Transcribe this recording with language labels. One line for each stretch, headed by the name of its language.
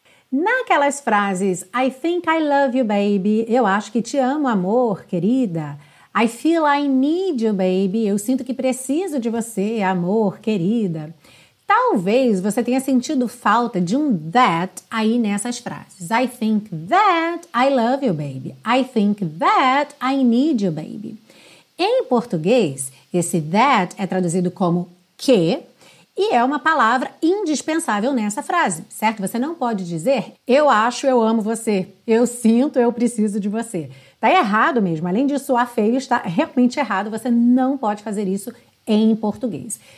Portuguese: Naquelas frases,
English: I think I love you, baby,
Portuguese: eu acho que te amo, amor, querida.
English: I feel I need you, baby,
Portuguese: eu sinto que preciso de você, amor, querida. Talvez você tenha sentido falta de um that aí nessas frases.
English: I think that I love you, baby. I think that I need you, baby.
Portuguese: Em português, esse that é traduzido como que e é uma palavra indispensável nessa frase, certo? Você não pode dizer eu acho, eu amo você, eu sinto, eu preciso de você. Tá errado mesmo. Além disso, soar feio, está realmente errado. Você não pode fazer isso em português.